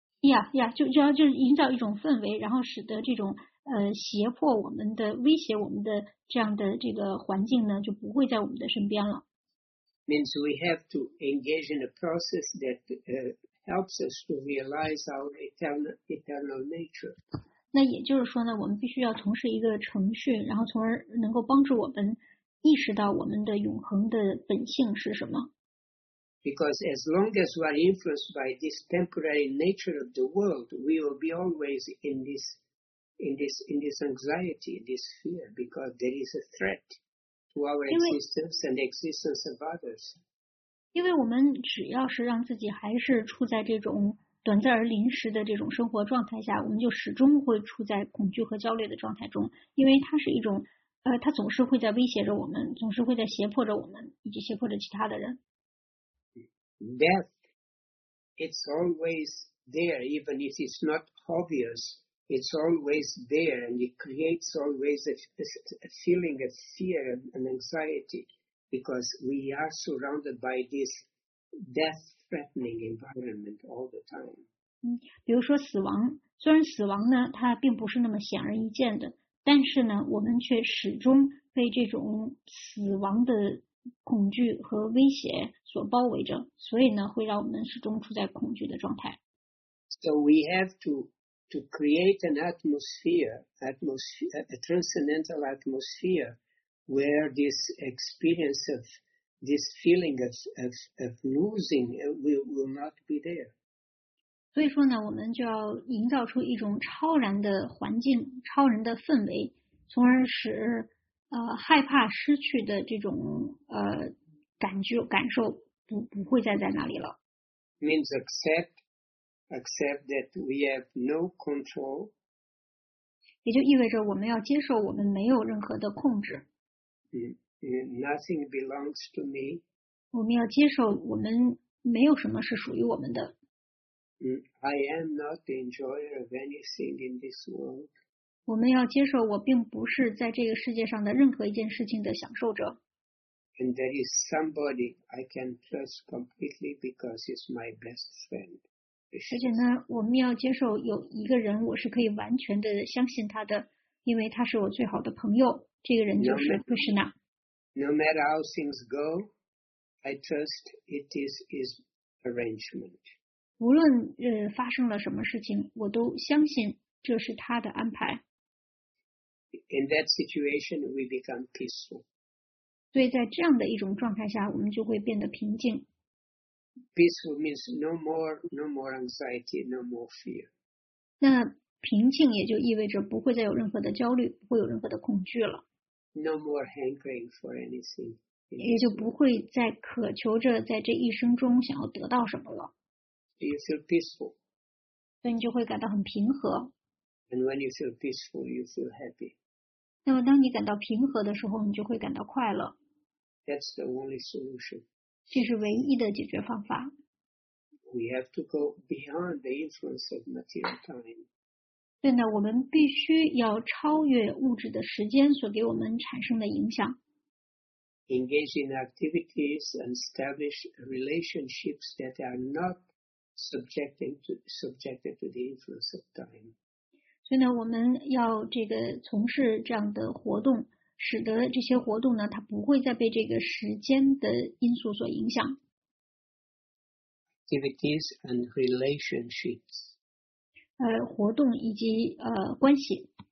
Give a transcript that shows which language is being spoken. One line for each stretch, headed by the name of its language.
English: Yeah,
Chinese: 就是营造一种氛围，然后使得这种胁迫我们的、威胁我们的这样的这个环境呢，就不会在我们的身边了。
English: Means we have to engage in a process that helps us to realize our eternal nature.
Chinese: 那也就是说呢，我们必须要从事一个程序，然后从而能够帮助我们意识到我们的永恒的本性是什么。
English: Because as long as we are influenced by this temporary nature of the world, we will be always in this anxiety, this fear, because there is a threat to our existence and the existence of others.
Chinese: 因为我们只要是让自己还是处在这种短暂而临时的这种生活状态下，我们就始终会处在恐惧和焦虑的状态中，因为它是一种它总是会在威胁着我们，总是会在胁迫着我们，以及胁迫着其他的人。
English: Death, it's always there, even if it's not obvious, it's always there, and it creates always a feeling of fear and anxiety, because we are surrounded by this death-threatening environment all the time.
Chinese: 比如说死亡，虽然死亡呢，它并不是那么显而易见的，但是呢，我们却始终被这种死亡的恐惧和威胁所包围着，所以呢，会让我们始终处在恐惧的状态。
English: So we have to create an atmosphere, a transcendental atmosphere, where this experience of this feeling of losing will not be there.
Chinese: 所以说呢，我们就要营造出一种超然的环境、超然的氛围，从而使害怕失去的这种感受不会再在那里了。
English: Means accept that we have no control.
Chinese: 也就意味着我们要接受我们没有任何的控制。
English: Nothing belongs to me.
Chinese: 我们要接受我们没有什么是属于我们的。
English: I am not the enjoyer of anything in this world.
Chinese: 我们要接受我并不是在这个世界上的任何一件事情的享受者。
English: And there is somebody I can trust completely because he's my best friend.
Chinese: 而且呢，我们要接受有一个人我是可以完全的相信他的，因为他是我最好的朋友，这个人就是 Krishna。
English: No matter how things go, I trust it is his arrangement.
Chinese: 无论发生了什么事情，我都相信这是他的安排。
English: In that situation, we become peaceful.
Chinese: 对，在这样的一种状态下，我们就会变得平静。
English: Peaceful means no more anxiety, no more fear.
Chinese: 那平静也就意味着不会再有任何的焦虑，不会有任何的恐惧了。
English: No more hankering for anything.
Chinese: 也就不会再渴求着在这一生中想要得到什么了。
English: You feel peaceful.
Chinese: 所以你就会感到很平和。
English: And when you feel peaceful, you feel happy.
Chinese: 那么当你感到平和的时候，你就会感到快乐。
English: That's the only solution.
Chinese: 这是唯一的解决方法。
English: We have to go beyond the influence of material time.
Chinese: 对呢，我们必须要超越物质的时间所给我们产生的影响。
English: Engage in activities and establish relationships that are not subjected to the influence of time.
Chinese: 所以呢，我们要这个从事这样的活动，使得这些活动呢，它不会再被这个时间的因素所影响。
English: activities and relationships.
Chinese: 活动以及关系。